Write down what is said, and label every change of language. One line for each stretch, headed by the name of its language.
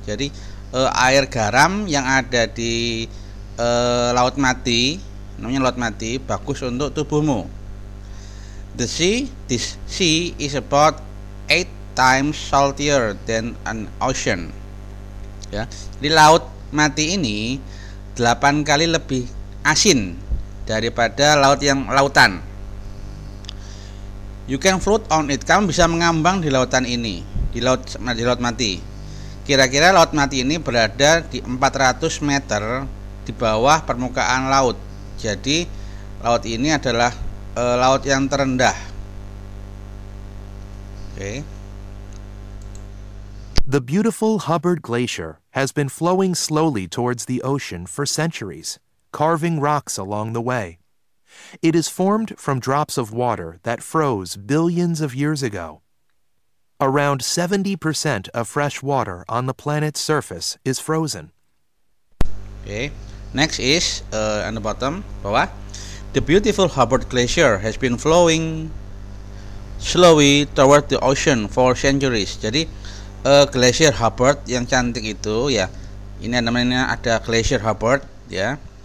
Indonesian: Jadi air garam yang ada di laut mati, namanya laut mati, bagus untuk tubuhmu.
English: This sea is about 8 times saltier than an ocean.
Indonesian: Ya, di laut mati ini 8 kali lebih asin daripada laut yang lautan.
English: You can float on it.
Indonesian: Kamu bisa mengambang di lautan ini, di laut mati. Kira-kira laut mati ini berada di 400 meter di bawah permukaan laut. Jadi laut ini adalah laut yang terendah. Oke. Okay.
English: The beautiful Hubbard Glacier has been flowing slowly towards the ocean for centuries, carving rocks along the way. It is formed from drops of water that froze billions of years ago. Around 70% of fresh water on the planet's surface is frozen. Okay, next is on the bottom, bawah. The beautiful Hubbard Glacier has been flowing slowly toward the ocean for centuries.
Indonesian: Jadi, Glacier Hubbard yang cantik itu, ya, ini namanya ada Glacier Hubbard, ya.